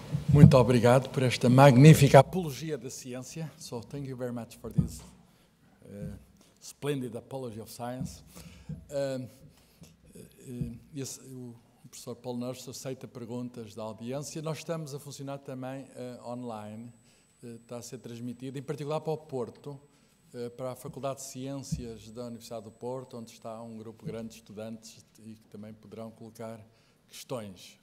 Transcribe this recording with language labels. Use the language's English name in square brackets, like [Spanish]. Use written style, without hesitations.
[Portuguese] Muito obrigado por esta magnífica apologia da ciência. [English] So thank you very much for this splendid apology of science. [Portuguese] O professor Paulo Nurse aceita perguntas da audiência. Nós estamos a funcionar também online. Está a ser transmitido, em particular para o Porto, para a Faculdade de Ciências da Universidade do Porto, onde está um grupo grande de estudantes e que também poderão colocar questões.